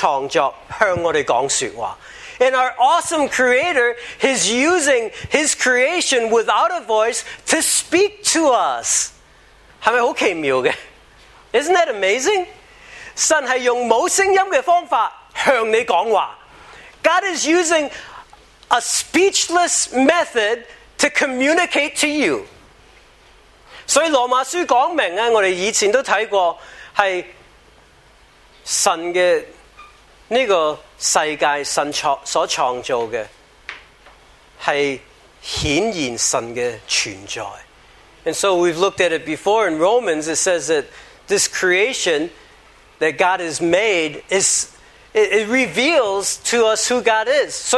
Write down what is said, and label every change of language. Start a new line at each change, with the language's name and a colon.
Chinese: 这个伟大的天父,是用这个无声音的创造,向我们讲说话.
English: And our awesome creator, he's using his creation without a voice to speak to us.
Chinese: 是不是很奇妙的?
English: Isn't that amazing?
Chinese: 神是用无声音的方法向你讲话.
English: God is using a speechless method to communicate to you.
Chinese: 所以罗马书讲明,我们以前都看过, 是神的这个世界,神所创造的, 是显现神的存在。
English: And so we've looked at it before in Romans. It says that this creation that God has made is it reveals to us who God is.